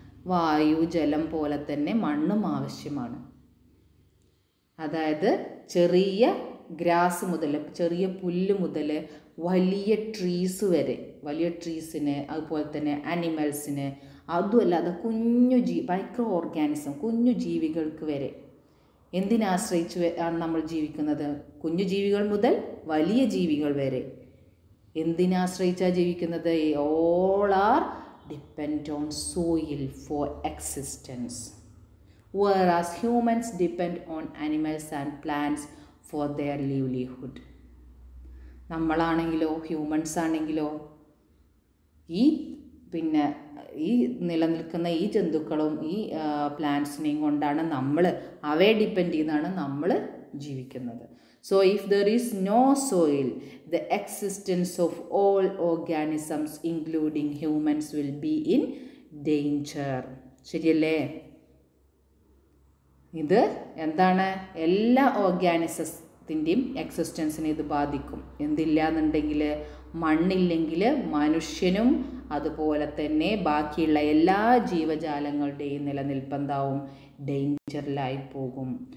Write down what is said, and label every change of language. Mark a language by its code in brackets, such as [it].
[ml] വായു ജലം പോലെ തന്നെ മണ്ണും ആവശ്യമാണ്. അതായത് ചെറിയ ഗ്രാസ് മുതൽ, ചെറിയ പുല്ല് മുതൽ വലിയ ട്രീസ് വരെ, വലിയ ട്രീസിന് അതുപോലെ തന്നെ അനിമൽസിന്, അതുമല്ലാതെ കുഞ്ഞു മൈക്രോ ഓർഗാനിസം കുഞ്ഞു ജീവികൾക്ക് വരെ. എന്തിനാശ്രയിച്ച് ആണ് നമ്മൾ ജീവിക്കുന്നത്? കുഞ്ഞു ജീവികൾ മുതൽ വലിയ ജീവികൾ വരെ എന്തിനാശ്രയിച്ചാണ് ജീവിക്കുന്നത്? [en] All are depend on soil for existence. Whereas humans depend on animals and plants for their livelihood. [ml] നമ്മളാണെങ്കിലോ humans ആണെങ്കിലോ ഈ പിന്നെ ഈ നിലനിൽക്കുന്ന ഈ ജന്തുക്കളും ഈ പ്ലാന്റ്സിനെയും കൊണ്ടാണ് നമ്മൾ, അവയെ ഡിപ്പെൻഡ് ചെയ്താണ് നമ്മൾ ജീവിക്കുന്നത്. [en] So if there is no soil, the existence of all organisms including humans will be in danger. [ml] ശരിയല്ലേ? ഇത് എന്താണ്, എല്ലാ ഓർഗാനിസത്തിൻ്റെയും എക്സിസ്റ്റൻസിനെ ഇത് ബാധിക്കും. എന്തില്ല എന്നുണ്ടെങ്കിൽ, മണ്ണില്ലെങ്കിൽ മനുഷ്യനും അതുപോലെ തന്നെ ബാക്കിയുള്ള എല്ലാ ജീവജാലങ്ങളുടെയും നിലനിൽപ്പെന്താവും, ഡേഞ്ചറിലായി പോകും.